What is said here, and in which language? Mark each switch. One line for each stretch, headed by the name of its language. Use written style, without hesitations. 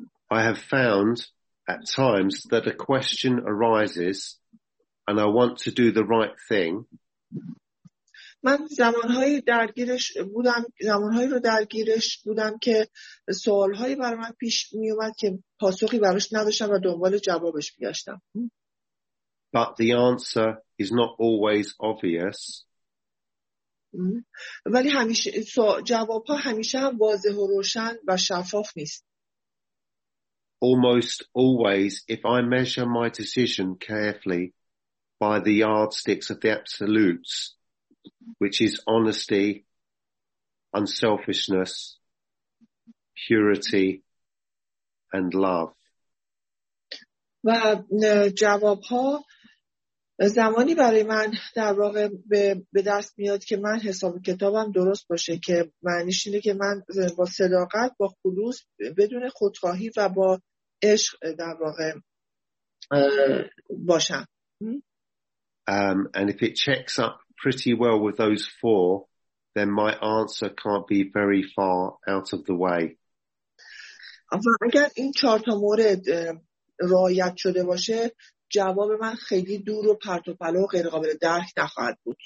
English: I have found at times that a question arises and I want to do the right thing.
Persian: من زمانهای درگیرش بودم، زمانهای رو درگیرش بودم که سوالهای برام پیش می اومد که پاسخی براش نداشتم و دنبال جوابش می‌گشتم.
English: But the answer is not always obvious.
Persian: ولی همیشه جواب‌ها همیشه هم واضح و روشن و شفاف نیست.
English: Almost always, if I measure my decision carefully by the yardsticks of the absolutes, which is honesty, unselfishness, purity, and love.
Persian: و جواب‌ها زمانی برای من در واقع به دست میاد که من حساب کتابم درست باشه، که معنیش اینه که من با صداقت، با خلوص، بدون خودخواهی و با عشق در واقع باشم.
English: And if it checks up pretty well with those four, then my answer can't be very far out of the way.
Persian: و اگر این چهار تا مورد رعایت شده باشه، جواب من خیلی دور و پرت و پلا و غیر قابل درک نخواهد بود.